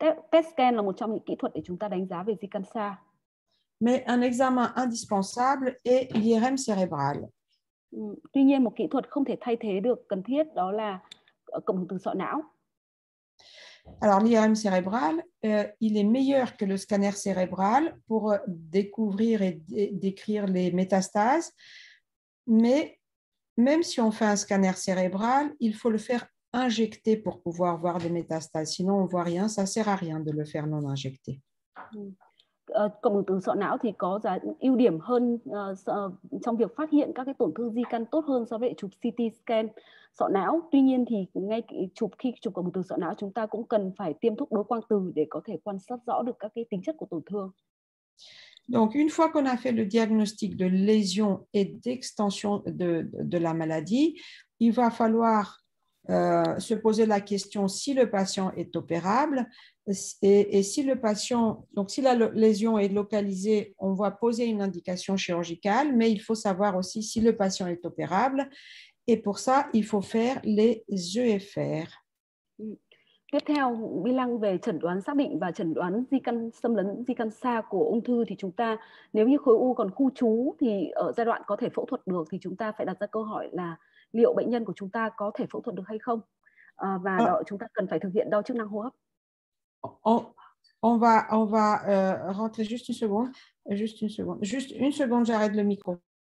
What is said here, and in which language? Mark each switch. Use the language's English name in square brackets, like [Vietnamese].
[Vietnamese] PET scan là một trong những kỹ thuật để chúng ta đánh giá về di căn xa. [French] Mais un examen indispensable est l'IRM cérébral. [Vietnamese] Tuy nhiên, một kỹ thuật không thể thay thế được cần thiết đó là cộng hưởng từ sọ não. [French] Alors l'IRM cérébral, il est meilleur que le scanner cérébral pour découvrir et décrire les métastases, mais même si on fait un scanner cérébral, il faut le faire injecter pour pouvoir voir des métastases. Sinon, on ne voit rien, ça ne sert à rien de le faire non injecté. [Vietnamese] Cộng hưởng từ sọ não thì có giá ưu điểm hơn trong việc phát hiện các cái tổn thương di căn tốt hơn so với chụp CT scan sọ não. Tuy nhiên thì ngay chụp khi chụp cộng hưởng từ sọ não chúng ta cũng cần phải tiêm thuốc đối quang từ để có thể quan sát rõ được các cái tính chất của tổn thương. [French] Donc, une fois qu'on a fait le diagnostic de lésion et d'extension de la maladie, il va falloir se poser la question si le patient est opérable. Et si le patient, donc si la lésion est localisée, on va poser une indication chirurgicale, mais il faut savoir aussi si le patient est opérable. Et pour ça, il faut faire les EFR. [Vietnamese] Tiếp theo, Bi Lăng về chẩn đoán xác định và chẩn đoán di căn xâm lấn, di căn xa của ung thư thì chúng ta nếu như khối u còn khu trú thì ở giai đoạn có thể phẫu thuật được thì chúng ta phải đặt ra câu hỏi là liệu bệnh nhân của chúng ta có thể phẫu thuật được hay không? Và đó, chúng ta cần phải thực hiện đo chức năng hô hấp. [French] On va rentrer juste une seconde, juste une seconde, juste une seconde, j'arrête le micro.